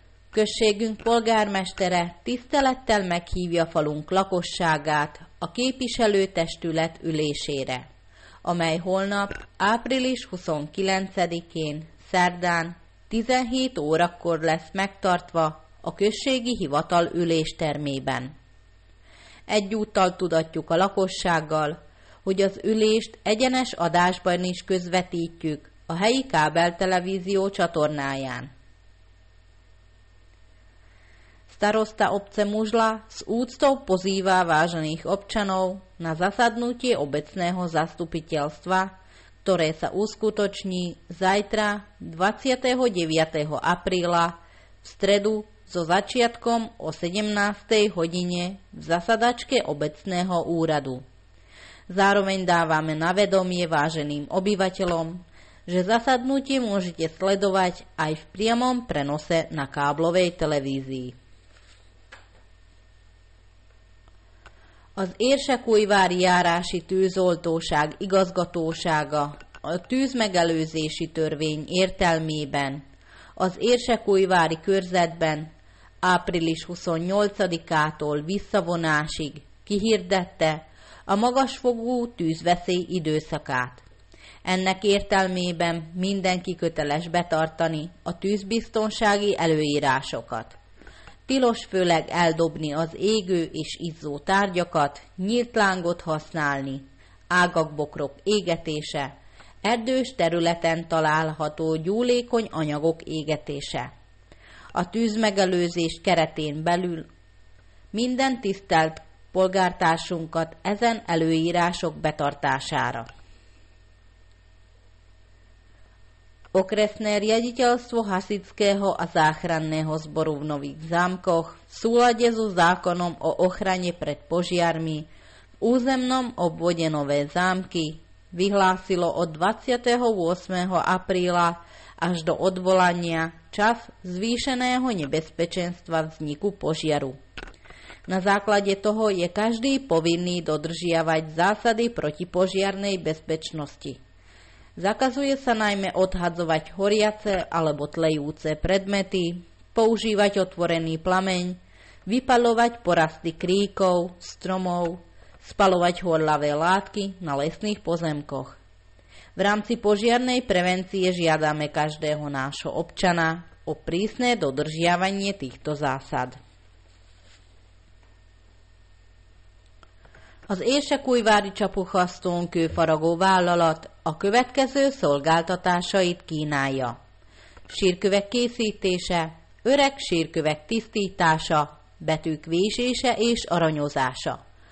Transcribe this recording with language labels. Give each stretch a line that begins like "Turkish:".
Hungarian: Községünk polgármestere tisztelettel meghívja falunk lakosságát a képviselőtestület ülésére, amely holnap, április 29-én, szerdán, 17 órakor lesz megtartva a községi hivatal üléstermében. Egyúttal tudatjuk a lakossággal, hogy az ülést egyenes adásban is közvetítjük a helyi kábeltelevízió csatornáján.
Slovak: starosta obce Mužla s úctou pozýva vážených občanov na zasadnutie obecného zastupiteľstva, ktoré sa uskutoční zajtra 29. apríla v stredu so začiatkom o 17. hodine v zasadačke obecného úradu. Zároveň dávame na vedomie váženým obyvateľom, že zasadnutie môžete sledovať aj v priamom prenose na káblovej televízii.
Hungarian: Az érsekújvári járási tűzoltóság igazgatósága a tűzmegelőzési törvény értelmében az érsekújvári körzetben április 28-ától visszavonásig kihirdette a magasfogú tűzveszély időszakát. Ennek értelmében mindenki köteles betartani a tűzbiztonsági előírásokat. Tilos főleg eldobni az égő és izzó tárgyakat, nyílt lángot használni, ágakbokrok égetése, erdős területen található gyúlékony anyagok égetése. A tűzmegelőzés keretén belül minden tisztelt polgártársunkat ezen előírások betartására.
Slovak: Okresné riaditeľstvo hasičského a záchranného zboru v Nových Zámkoch v súlade so zákonom o ochrane pred požiarmi v územnom obvode Nové Zámky vyhlásilo od 28. apríla až do odvolania čas zvýšeného nebezpečenstva vzniku požiaru. Na základe toho je každý povinný dodržiavať zásady protipožiarnej bezpečnosti. Zakazuje sa najmä odhadzovať horiace alebo tlejúce predmety, používať otvorený plameň, vypaľovať porasty kríkov, stromov, spaľovať horľavé látky na lesných pozemkoch. V rámci požiarnej prevencie žiadame každého nášho občana o prísne dodržiavanie týchto zásad.
Hungarian: Az érsekújvári csapuhasztón kőfaragó vállalat a következő szolgáltatásait kínálja. Sírkövek készítése, öreg sírkövek tisztítása, betűk vésése és aranyozása.